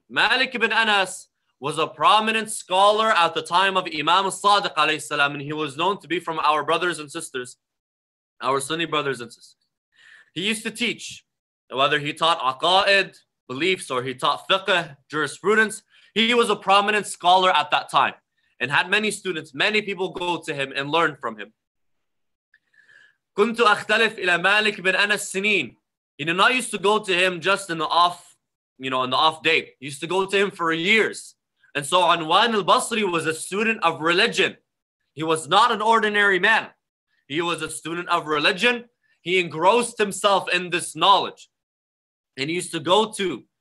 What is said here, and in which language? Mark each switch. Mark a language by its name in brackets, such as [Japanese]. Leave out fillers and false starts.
[English] Malik ibn Anas was a prominent scholar at the time of Imam al-Sadiq alayhi salam, and he was known to be from our brothers and sisters, our Sunni brothers and sisters. He used to teach, whether he taught aqa'id, beliefs, or he taught fiqh, jurisprudence, he was a prominent scholar at that time and had many students, many people go to him and learn from him. [Arabic] كنت أختلف إلى مالك بن أنس سنين. [English] He did not used to go to him just in the off day. He used to go to him for years. And so Anwan al-Basri was a student of religion. He was not an ordinary man. He was a student of religion. He engrossed himself in this knowledge. And he used to go to